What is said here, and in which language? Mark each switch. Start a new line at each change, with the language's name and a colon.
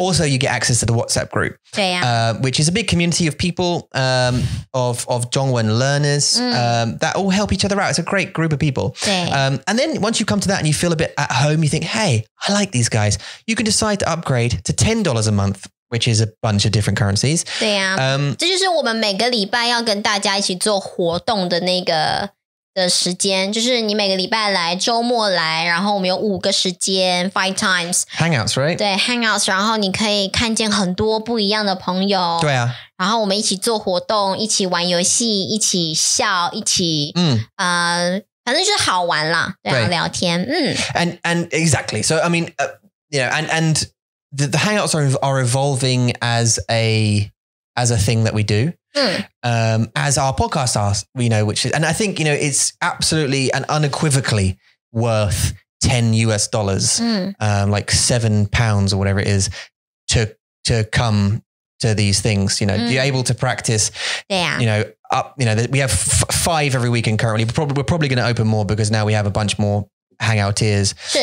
English: Also, you get access to the WhatsApp group, which is a big community of people, of Zhongwen learners that all help each other out. It's a great group of people. And then once you come to that and you feel a bit at home, you think, hey, I like these guys. You can decide to upgrade to $10 a month, which is a bunch of different currencies.
Chinese: 对啊，这就是我们每个礼拜要跟大家一起做活动的那个的时间，就是你每个礼拜来，周末来，然后我们有五个时间 ，
English: five times hangouts, right?
Chinese: 对 ，hangouts， 然后你可以看见很多不一样的朋友。对啊，然后我们一起做活动，一起玩游戏，一起笑，一起反正就是好玩啦，对啊，聊天，
English: And exactly. So I mean, and The hangouts are evolving as a thing that we do, as our podcasts are, you know, which is, and I think, you know, it's absolutely and unequivocally worth $10, like £7 or whatever it is to come to these things, you know, you're able to practice, we have five every weekend currently, we're probably going to open more because now we have a bunch more hangouteers.